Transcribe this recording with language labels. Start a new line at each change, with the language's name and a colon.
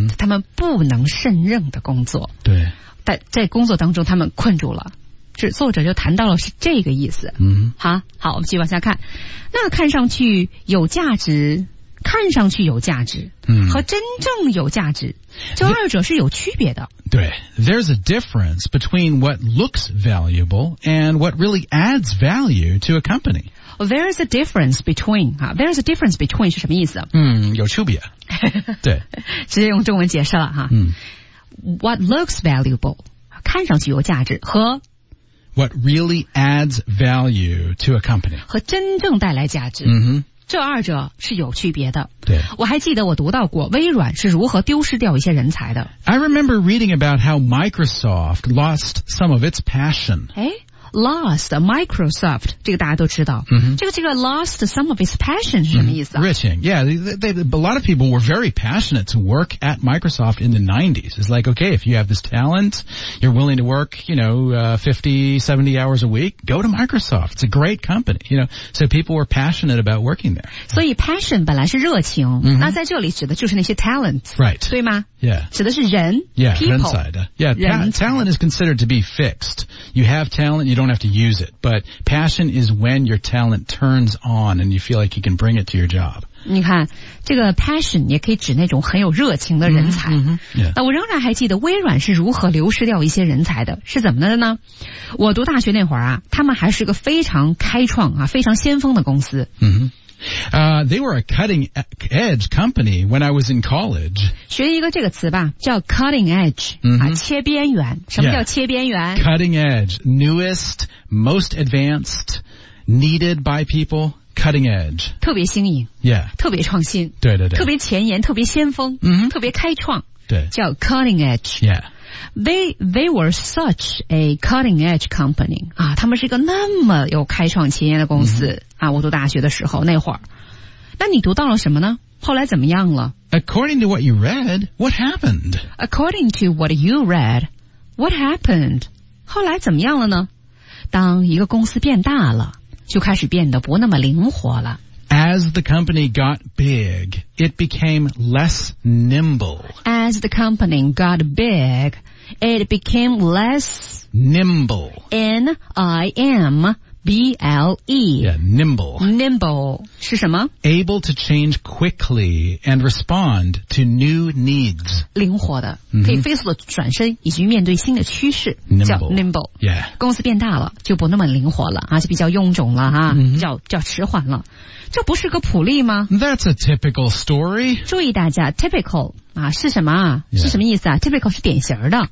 Chinese: 他们不能胜任的工作。对，但在工作当中他们困住了，是作者就谈到了是这个意思。嗯，好好，我们继续往下看。那看上去有价值，看上去有价值、嗯、和真正有价值，这二者是有区别的。对，
English: There's a difference between what looks valuable and what really adds value to a company There's a difference between,、啊、there's a difference between
Chinese: 是什么意思？嗯，有区别。对。直接用中文解释了哈、啊。嗯。
English: What looks valuable,
Chinese: 看上去有价值，和
English: What really adds value to a company,
Chinese: 和真正带来价值。嗯哼。这二者是有区别的。对，我还记得我读到过微软是如何丢失掉一些人才的。
English: I remember reading about how Microsoft lost some of its passion.
Chinese: 诶 ,lost, Microsoft, 这个大家都知道。 Mm-hmm. 这个
English: lost some of its passion
Chinese: 是什么意思啊、 mm-hmm.
English: Riching, yeah, a lot of people were very passionate to work at Microsoft in the 90s. It's like, okay, if you have this talent, you're willing to work, you know, 50, 70 hours a week, go to Microsoft. It's a great company, you know. So people were passionate about working there.
Chinese: 所以 passion 本来是热情、 mm-hmm. 那在这里指的就是那些 talent,
English: right.
Chinese: 对吗？
English: Yeah.
Chinese: 指的是人
English: yeah, people,
Chinese: 人才的 yeah, 人才
English: talent is considered to be fixed. You have talent, you don't have to use it. But passion is when your talent turns on and you feel like you can bring it to your job.
Chinese: 你看，这个 passion 也可以指那种很有热情的人才。 Mm-hmm, mm-hmm. Yeah. 我仍然还记得微软是如何流失掉一些人才的，是怎么的呢？我读大学那会儿啊，他们还是个非常开创啊，非常先锋的公司。 Mm-hmm.
English: They were a cutting edge company when I was in college.
Chinese: 学一个这个词吧，叫 cutting edge,、mm-hmm. 啊、切边缘。什么叫切边缘、
English: yeah. Cutting edge, newest, most advanced, needed by people. Cutting edge.
Chinese: 特别新颖。
English: Yeah.
Chinese: 特别创新。对对对。特别前沿，特别先锋。嗯、mm-hmm. 特别开创。对。叫 cutting edge.
English: Yeah. They were such a cutting edge company.
Chinese: 啊他们是一个那么有开创前沿的公司。Mm-hmm. 啊我读大学的时候那会儿。那你读到了什么呢后来怎么样了
English: ?According to what you read, what happened? According to what you read, what happened?
Chinese: 后来怎么样了呢当一个公司变大了。就开始变得不那么灵活了。
English: As the company got big, it became less nimble. As the company got big, it became less... Nimble. N-I-M-B-L-E. Yeah, nimble. Nimble.
Chinese: 是什么?
English: Able to change quickly and respond to new needs.
Chinese: 灵活的。可以飞速的转身以及面对新的趋势。
English: Nimble.
Chinese: 叫 nimble.
English: Yeah.
Chinese: 公司变大了就不那么灵活了、啊、就比较臃肿了、啊 mm-hmm. 叫迟缓了。这不是个普利吗?
English: That's a typical story.
Chinese: 注意大家 typical 啊是什么啊、
English: yeah.
Chinese: 是什么意思啊 ?typical 是典型的。